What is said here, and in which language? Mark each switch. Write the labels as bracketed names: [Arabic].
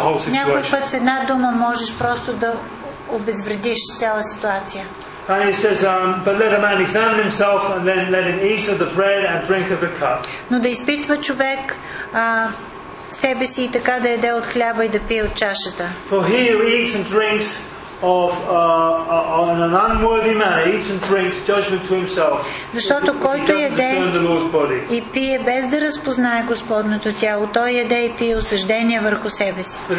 [Bulgarian] Някой път с една дума можеш просто да обезвредиш цяла ситуация. [English] And he says, but let a man examine himself, and then let him eat of the bread and drink of the cup. [Bulgarian] Но да изпитва човек себе си и така да яде от хляба и да пие от чашата. [English] For he who eats and drinks of an unworthy man eats and drinks judgment to himself. [Bulgarian] Защото който яде и пие без да разпознае Господното тяло, той яде и пие осъждение върху себе си.